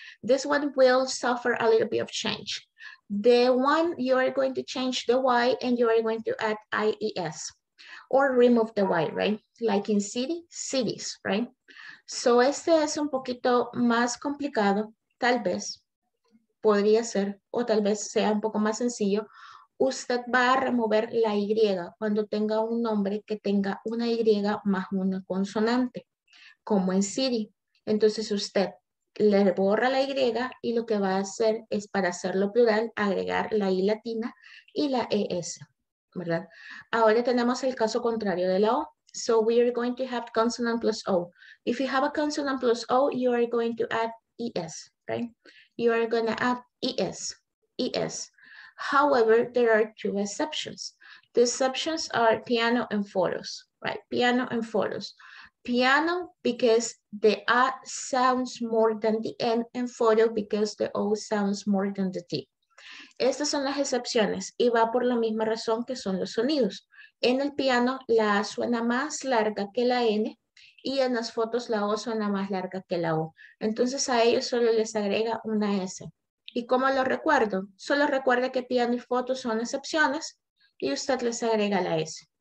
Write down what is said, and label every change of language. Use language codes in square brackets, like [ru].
[en] This one will suffer a little bit of change. The one, you are going to change the Y and you are going to add IES or remove the Y, right? Like in city, cities, right? [es] So este es un poquito más complicado, tal vez, podría ser, o tal vez sea un poco más sencillo. Usted va a remover la Y cuando tenga un nombre que tenga una Y más una consonante, como en city. Entonces usted le borra la Y y lo que va a hacer es, para hacerlo plural, agregar la I latina y la ES, ¿verdad? Ahora tenemos el caso contrario de la O. [en] So we are going to have consonant plus O. If you have a consonant plus O, you are going to add ES, right? You are going to add ES, ES. However, there are two exceptions. The exceptions are piano and photos, right? Piano and photos. Piano, because the A sounds more than the N, and photo, because the O sounds more than the T. [es] Estas son las excepciones, y va por la misma razón que son los sonidos. En el piano, la A suena más larga que la N, y en las fotos, la O suena más larga que la O. Entonces, a ellos solo les agrega una S. ¿Y cómo lo recuerdo? Solo recuerde que piano y foto son excepciones, y usted les agrega la S.